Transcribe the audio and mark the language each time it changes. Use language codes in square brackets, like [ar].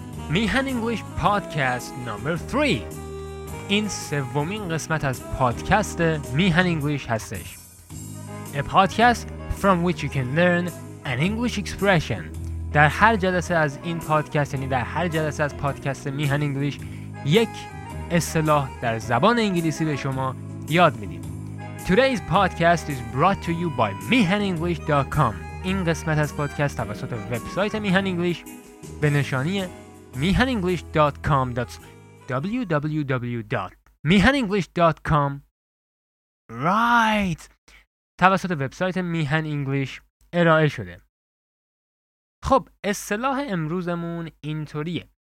[fa] میهن انگلیش پادکست نمبر 3. این سومین قسمت از پادکست میهن انگلیش هستش. [en] A podcast from which you can learn an English expression. [fa] در هر جلسه از این پادکست، یعنی در هر جلسه از پادکست میهن انگلیش، یک اصطلاح در زبان انگلیسی به شما یاد میدیم. [en] Today's podcast is brought to you by mihanenglish.com. [fa] این قسمت از پادکست توسط وبسایت میهن انگلیش به نشانی mihanenglish.com. [en] www.mihanenglish.com. Right. [fa] توسط وبسایت میهن انگلیش ارائه شده. خب اصطلاح امروزمون اینطوریه.